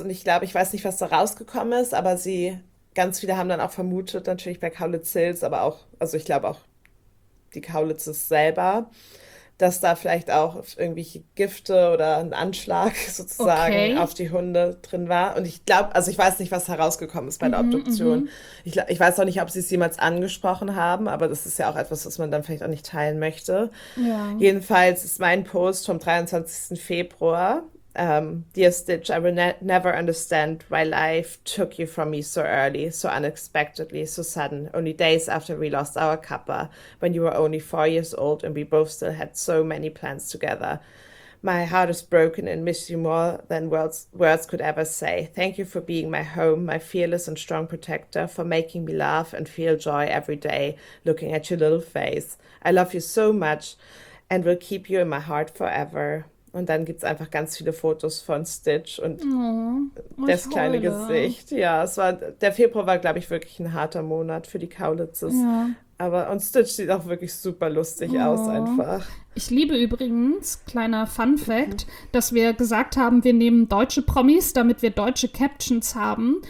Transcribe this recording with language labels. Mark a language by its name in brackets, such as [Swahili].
[German] Und ich glaube, ich weiß nicht, was da rausgekommen ist, aber ganz viele haben dann auch vermutet, natürlich bei Kaulitz-Hills, aber auch, also ich glaube auch die Kaulitzes selber, dass da vielleicht auch irgendwelche Gifte oder ein Anschlag sozusagen auf die Hunde drin war. Und ich glaube, also ich weiß nicht, was herausgekommen ist bei der Obduktion. Ich weiß auch nicht, ob sie es jemals angesprochen haben, aber das ist ja auch etwas, was man dann vielleicht auch nicht teilen möchte. Ja. Jedenfalls ist mein Post vom 23. Februar: [English] Dear Stitch, I will never understand why life took you from me so early, so unexpectedly, so sudden, only days after we lost our Kappa, when you were only 4 years old and we both still had so many plans together. My heart is broken and miss you more than words could ever say. Thank you for being my home, my fearless and strong protector, for making me laugh and feel joy every day looking at your little face. I love you so much and will keep you in my heart forever. [German] Und dann gibt es einfach ganz viele Fotos von Stitch und das kleine Gesicht. Ja, der Februar war, glaube ich, wirklich ein harter Monat für die Kaulitzes. Ja. Und Stitch sieht auch wirklich super lustig aus einfach. Ich liebe übrigens, kleiner Fun Fact, dass wir gesagt haben, wir nehmen deutsche Promis, damit wir deutsche Captions haben.